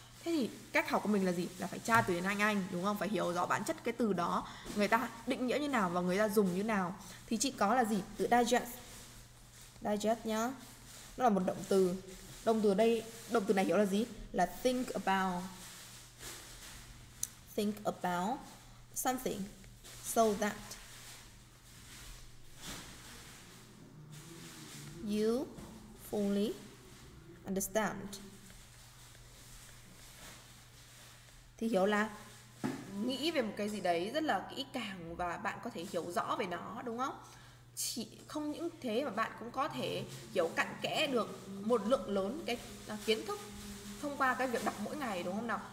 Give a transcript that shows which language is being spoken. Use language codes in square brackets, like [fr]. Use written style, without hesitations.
[vi] Thế thì cách học của mình là gì? Là phải tra từ điển Anh, đúng không? Phải hiểu rõ bản chất cái từ đó, người ta định nghĩa như nào và người ta dùng như nào. Thì chị có là gì? Từ digest. Digest nhá. Nó là một động từ. Động từ ở đây, động từ này hiểu là gì? Là [en] think about. Think about something so that you fully understand. [vi] Thì hiểu là nghĩ về một cái gì đấy rất là kỹ càng và bạn có thể hiểu rõ về nó, đúng không? Chỉ không những thế mà bạn cũng có thể hiểu cặn kẽ được một lượng lớn cái kiến thức thông qua cái việc đọc mỗi ngày, đúng không nào?